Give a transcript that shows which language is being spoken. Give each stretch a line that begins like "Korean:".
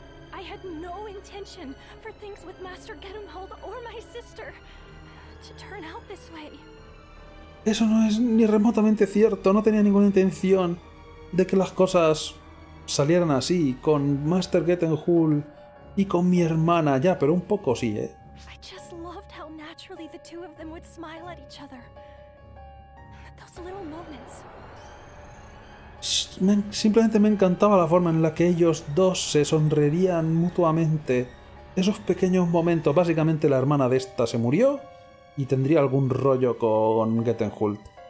English: I had no intention for things with Master Gedumhold or my sister to turn out this way.
Spanish: Eso no es ni remotamente cierto. No tenía ninguna intención de que las cosas salieran así con Master Gedumhold y con mi hermana. Ya, pero un poco sí, ¿eh?
English: I just loved how naturally the two of them would smile at each other. Those little moments.
Spanish: Simplemente me encantaba la forma en la que ellos dos se sonreían mutuamente. Esos pequeños momentos. Básicamente la hermana de esta se murió y tendría algún rollo con Gedumhold.